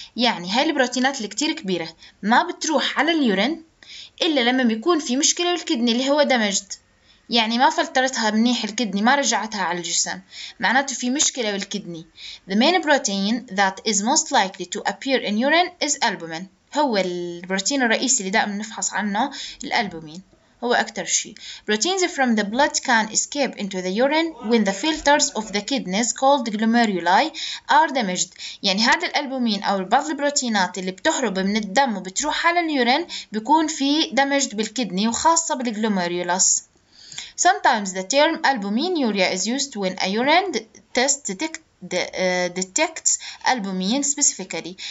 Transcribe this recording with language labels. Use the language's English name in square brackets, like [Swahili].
[Arabic] يعني هاي البروتينات اللي كتير كبيرة ما بتروح على اليورين إلا لما بيكون في مشكلة بالكدني اللي هو damaged، يعني ما فلترتها منيح الكدني، ما رجعتها على الجسم، معناته في مشكلة بالكدني. [English] The main protein that is most likely to appear in urine is albumin. [Arabic] هو البروتين الرئيسي اللي دائما نفحص عنه الألبومين، هو أكتر شيء. [English] Proteins from the blood can escape into the urine when the filters of the kidneys called glomeruli are damaged. [Arabic] يعني هذا الألبومين أو بعض البروتينات اللي بتهرب من الدم وبتروح على اليورين بيكون في damaged بالكدني وخاصة بالglomerulus. [English] Sometimes the term albuminuria is used when a urine test detects albumin specifically.